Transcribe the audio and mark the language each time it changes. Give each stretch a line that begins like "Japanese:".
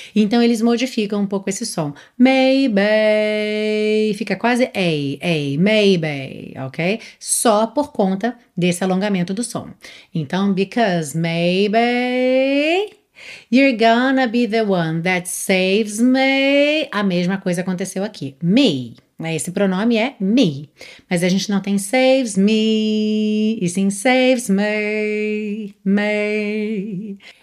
Portuguese: Então, eles modificam um pouco esse som. Maybe, fica quase a, a, maybe, ok? Só por conta desse alongamento do som.
English: Então, because maybe, you're gonna be the one that saves me.
Portuguese: A mesma coisa aconteceu aqui. Me. Esse pronome é me, mas a gente não tem
English: saves me,
Portuguese: e sim saves me, me.